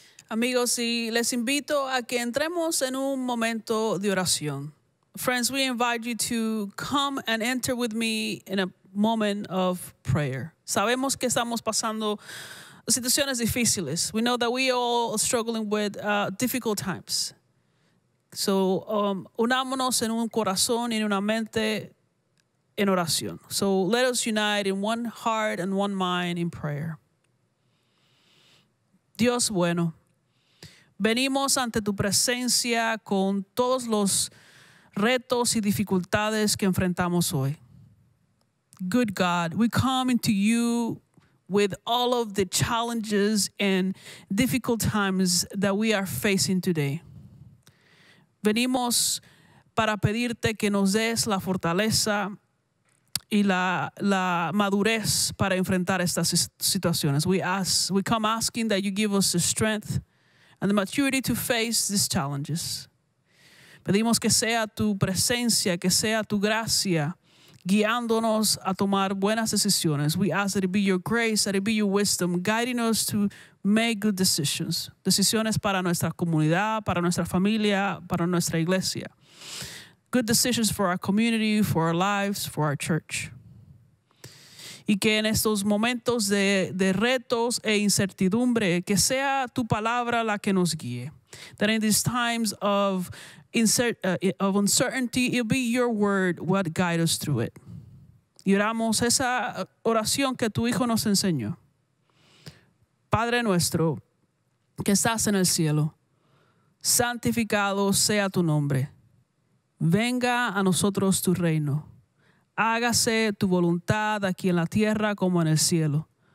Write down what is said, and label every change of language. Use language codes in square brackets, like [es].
[es] Amigos, y les invito a que entremos en un momento de oración. [en] Friends, we invite you to come and enter with me in a moment of prayer. [es] Sabemos que estamos pasando situaciones difíciles. [en] We know that we all are struggling with difficult times. [es] So, unámonos en un corazón y en una mente en oración. [en] So, let us unite in one heart and one mind in prayer. [es] Dios bueno, venimos ante tu presencia con todos los retos y dificultades que enfrentamos hoy. [en] Good God, we come into you with all of the challenges and difficult times that we are facing today. [es] Venimos para pedirte que nos des la fortaleza y la madurez para enfrentar estas situaciones. [en] We come asking that you give us the strength and the maturity to face these challenges. [es] Pedimos que sea tu presencia, que sea tu gracia, guiándonos a tomar buenas decisiones. [en] We ask that it be your grace, that it be your wisdom, guiding us to make good decisions. [es] Decisiones para nuestra comunidad, para nuestra familia, para nuestra iglesia. [en] Good decisions for our community, for our lives, for our church. [es] Y que en estos momentos de retos e incertidumbre, que sea tu palabra la que nos guíe. [en] That in these times of uncertainty, it'll be your word what guide us through it. [es] Y oramos esa oración que tu hijo nos enseñó. Padre nuestro, que estás en el cielo, santificado sea tu nombre. Venga a nosotros tu reino. Hágase tu voluntad aquí en la tierra como en el cielo.